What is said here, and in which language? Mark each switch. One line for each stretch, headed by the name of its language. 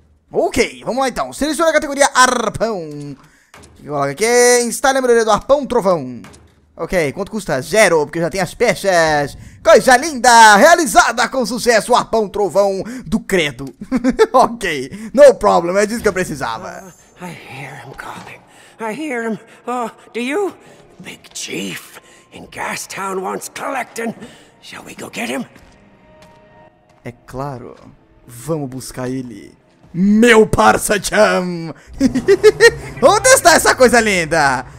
Portuguese: Ok, vamos lá então. Seleciona a categoria arpão. Coloca aqui, instale a melhoria do arpão, trovão. Ok, quanto custa? Zero, porque já tem as peças. Coisa linda, realizada com sucesso, o arpão trovão do credo.
English: Ok, no problem,
Portuguese: é disso que eu precisava.
English: I hear him calling, I hear him. Oh, do you? Big Chief, in Gastown wants collecting. Shall we go get him?
Portuguese: É claro, vamos buscar ele. Meu parça Chum! Vamos testar essa coisa linda!